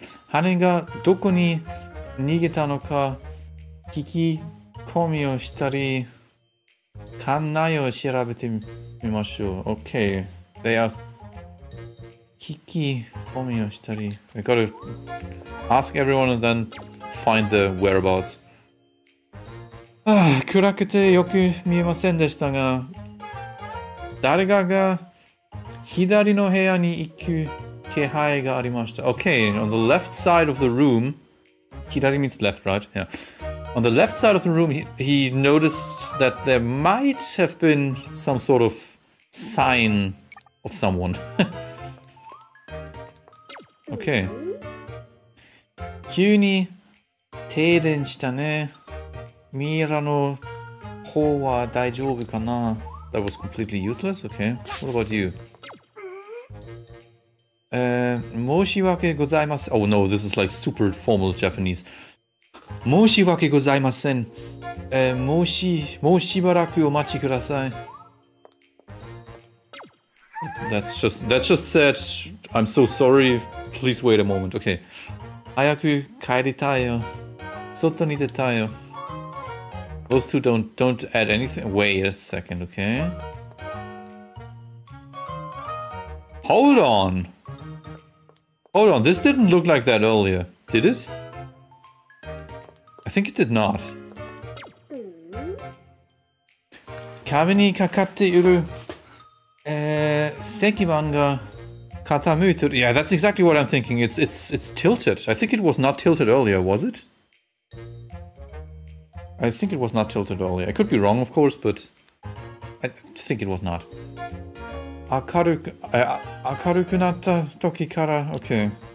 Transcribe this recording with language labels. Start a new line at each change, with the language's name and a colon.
Japanese: 羽根がどこに逃げたのか聞き込みをしたり、館内を調べてみましょう。
English: Okay. They ask.
Japanese: 聞き込みをしたり。
English: We gotta ask everyone and then find the whereabouts.
Japanese: ああ、暗くてよく見えませんでしたが、誰かが左の部屋に行く気配がありました。
English: Okay, on the left side of the room, 左 means left, right? Yeah. On the left side of the room, he noticed that there might have been some sort of sign of someone. Okay.
Japanese: 急に停電したね。ミイラの方は大丈夫かな?
English: That was completely useless? Okay. What about you?
Japanese: 申し訳ございません。
English: Oh no, this is like super formal Japanese.
Japanese: 申し訳ございません。もうしばらくお待ちください。
English: That's just said, I'm so sorry, please wait a moment, okay.
Japanese: 早く帰りたいよ。外に出たいよ。
English: Those two don't add anything. Wait a second, okay. Hold on! Hold on, this didn't look like that earlier, did it? I think it did not.
Japanese: 壁にかかっている、石板が傾いている。
English: Yeah, that's exactly what I'm thinking. It's tilted. I think it was not tilted earlier, was it? I think it was not tilted earlier. I could be wrong, of course, but I think it was not.
Japanese: 明るくなった時から OK